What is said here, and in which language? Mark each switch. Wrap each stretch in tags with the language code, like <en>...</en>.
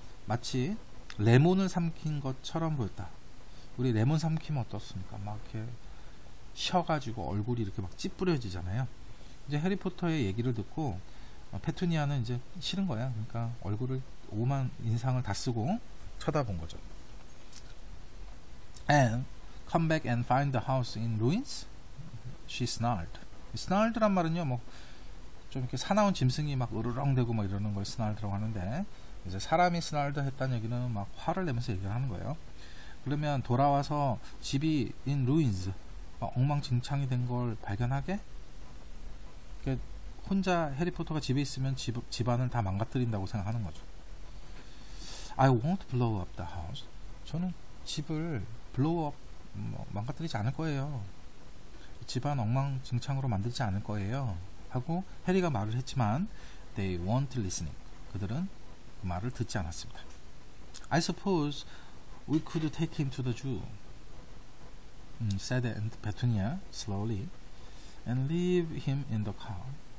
<ko>마치 레몬을 삼킨 것처럼 보였다. 우리 레몬 삼키면 어떻습니까? 막 이렇게 셔가지고 얼굴이 이렇게 막 찌뿌려지잖아요. 이제 해리포터의 얘기를 듣고 페투니아는 이제 싫은 거야. 그러니까 얼굴을 오만 인상을 다 쓰고 쳐다본 거죠.</ko> <en>And come back and find the house in ruins? She snarled.</en> <ko>Snarled란 말은요, 뭐 좀 이렇게 사나운 짐승이 막 으르렁대고 막 이러는 걸 snarled라고 하는데 이제 사람이 snarled 했다는 얘기는 막 화를 내면서 얘기를 하는 거예요. 그러면 돌아와서 집이 in ruins, 막 엉망진창이 된 걸 발견하게? 그러니까 혼자 해리포터가 집에 있으면 집안을 다 망가뜨린다고 생각하는 거죠.</ko> <en>I won't blow up the house.</en> <ko>저는 집을 blow up, 뭐 망가뜨리지 않을 거예요. 집안 엉망진창으로 만들지 않을 거예요. 하고 해리가 말을 했지만</ko> <en>they weren't listening.</en> <ko>그들은 그 말을 듣지 않았습니다.</ko> <en>I suppose we could take him to the zoo. Said Aunt Petunia slowly and leave him in the car.</en>